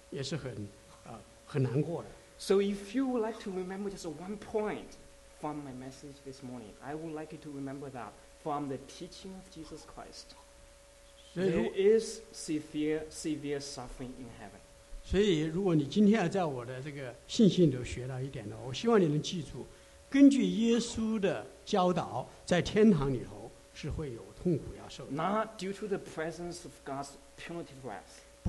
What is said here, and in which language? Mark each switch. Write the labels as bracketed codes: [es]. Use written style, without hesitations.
[zh] 当没有那个腊肉吃，你看到别人有的吃，你没有吃的时候，你受的那个痛苦是真实的，也是很难过的。 [en] So if you would like to remember just one point from my message this morning, I would like you to remember that from the teaching of Jesus Christ, there is severe suffering in heaven. [zh] 所以如果你今天要在我的这个信息里头学到一点呢，我希望你能记住，根据耶稣的教导，在天堂里头是会有。 [en] Not due to the presence of God's punitive wrath.